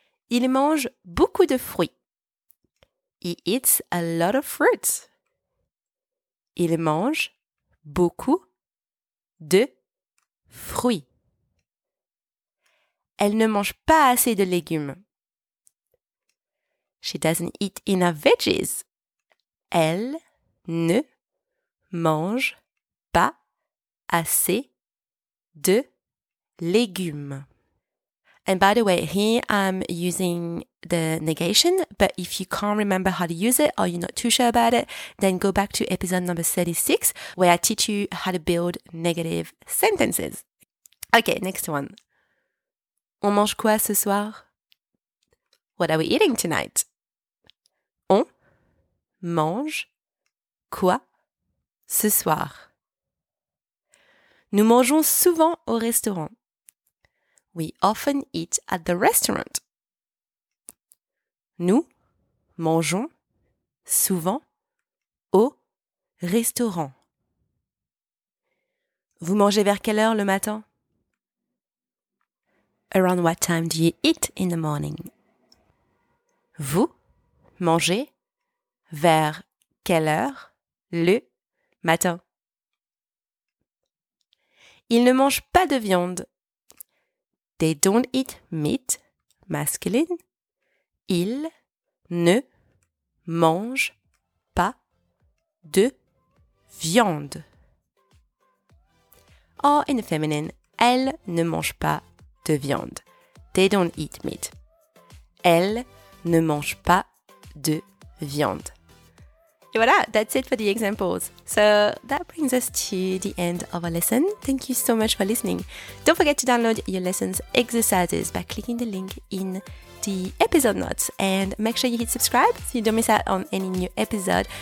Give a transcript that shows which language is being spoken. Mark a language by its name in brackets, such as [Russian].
[French] Il mange beaucoup de fruits. [English] He eats a lot of fruits. [French] Il mange beaucoup de fruits. Elle ne mange pas assez de légumes. [English] She doesn't eat enough veggies. [French] Elle ne mange pas assez de légumes. [English] And by the way, here I'm using the negation, but if you can't remember how to use it or you're not too sure about it, then go back to episode number 36 where I teach you how to build negative sentences. Okay, next one. [French] On mange quoi ce soir? [English] What are we eating tonight? [French] On mange quoi ce soir? Nous mangeons souvent au restaurant. [English] We often eat at the restaurant. [French] Nous mangeons souvent au restaurant. Vous mangez vers quelle heure le matin? [English] Around what time do you eat in the morning? [French] Vous mangez vers quelle heure le matin? Ils ne mangent pas de viande. [English] They don't eat meat, masculine. [French] Ils ne mangent pas de viande. [English] Or in the feminine, [French] Elle ne mange pas de viande. [English] They don't eat meat. [French] Elle ne mange pas de viande. Et voilà, [English] that's it for the examples. So that brings us to the end of our lesson. Thank you so much for listening. Don't forget to download your lesson's exercises by clicking the link in the episode notes. And make sure you hit subscribe so you don't miss out on any new episode.